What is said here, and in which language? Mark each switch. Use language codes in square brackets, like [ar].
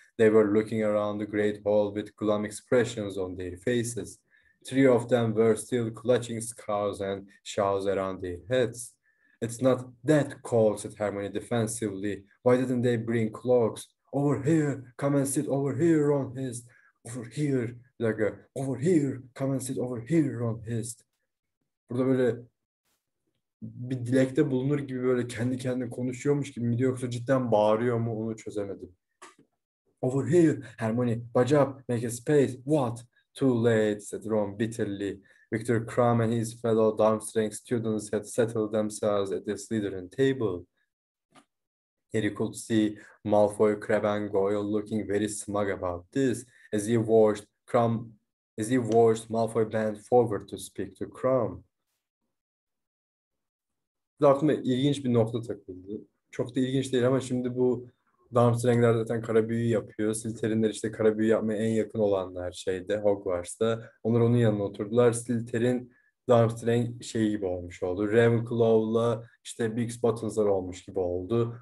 [en] They were looking around the great hall with glum expressions on their faces. Three of them were still clutching scarves and shawls around their heads. It's not that cold, said Hermione defensively. Why didn't they bring cloaks? Over here, come and sit over here, Ron hissed. Over here, like over here, come and sit over here, Ron hissed. [tr] Burada böyle bir dilekte bulunur gibi böyle kendi kendine konuşuyormuş gibi mi yoksa cidden bağırıyor mu onu çözemedim. [en] Over here, Hermione, budge up, make a space. What? Too late, said Ron bitterly. Victor Crumb and his fellow Darmstrang students had settled themselves at the Slytherin table. Harry could see Malfoy, Crabbe, and Goyle looking very smug about this as he watched Malfoy bend forward to speak to Crumb. [tr] Bu aklıma ilginç bir nokta takıldı. Çok da ilginç değil ama şimdi bu Darmstrangler zaten kara büyü yapıyor. Slytherinler işte kara büyü yapmaya en yakın olanlar şeyde Hogwarts'ta. Onlar onun yanına oturdular. Slytherin Darmstrang şey gibi olmuş oldu. Ravenclaw'la işte Beaks Buttons'lar olmuş gibi oldu.